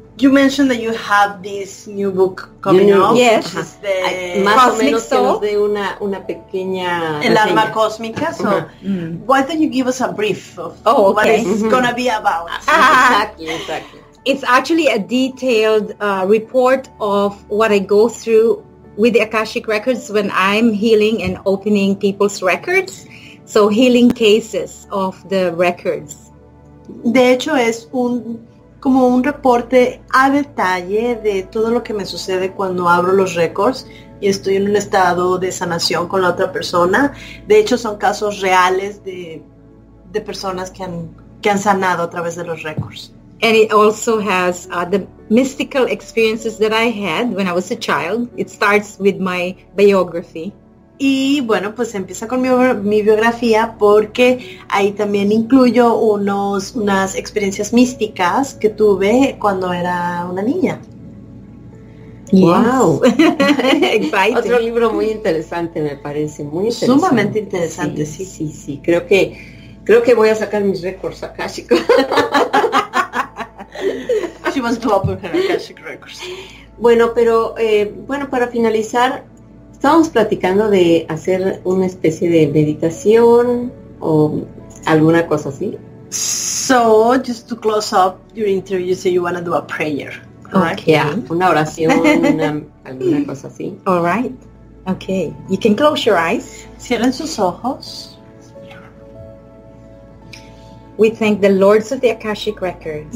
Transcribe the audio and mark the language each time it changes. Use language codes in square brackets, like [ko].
[en] You mentioned that you have this new book coming out. Yes. [es] Más o menos que nos dé una pequeña reseña. El alma cósmica. [en] So, why don't you give us a brief of what it's going to be about? Exactly. It's actually a detailed report of what I go through with the Akashic Records when I'm healing and opening people's records. So, healing cases of the records. [es] De hecho, es un... como un reporte a detalle de todo lo que me sucede cuando abro los récords y estoy en un estado de sanación con la otra persona. De hecho, son casos reales de personas que han sanado a través de los récords. [en] And it also has the mystical experiences that I had when I was a child. It starts with my biography. [es] Y bueno, pues empieza con mi biografía, porque ahí también incluyo unas experiencias místicas que tuve cuando era una niña. [en] Yes. ¡Wow! [es] Otro libro muy interesante, me parece, muy interesante. Sumamente interesante, sí. Sí. Creo que voy a sacar mis récords akáshicos. [en] She wants to open her akashic records. [es] Bueno, pero para finalizar... Estábamos platicando de hacer una especie de meditación o alguna cosa así. [en] So, just to close up your interview, you say you want to do a prayer. [es] Okay. Una oración, alguna cosa así. [en] All right. Okay, you can close your eyes. [es] Cierren sus ojos. [en] We thank the Lords of the Akashic Records.